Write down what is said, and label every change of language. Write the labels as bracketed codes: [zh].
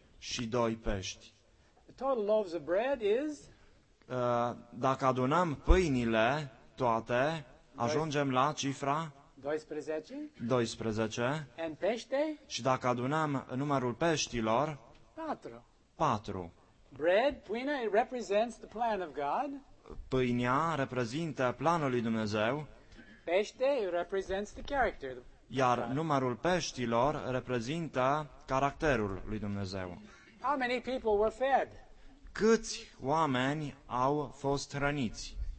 [ro] Și doi pești. [en] The total loaves of bread is [ro] dacă adunăm pâinile toate, ajungem la cifra 12. 12. [en] And pește? [ro] Și dacă adunăm numărul peștilor, 4. 4. [en] Bread, pâinea, it represents the plan of God. [ro] Pâinea reprezintă planul lui Dumnezeu. [en] Pește, it represents the character. [ro] Iar numărul peștilor reprezintă caracterul lui Dumnezeu. [en] How many people were fed? [ro] Câți oameni au fost hrăniți?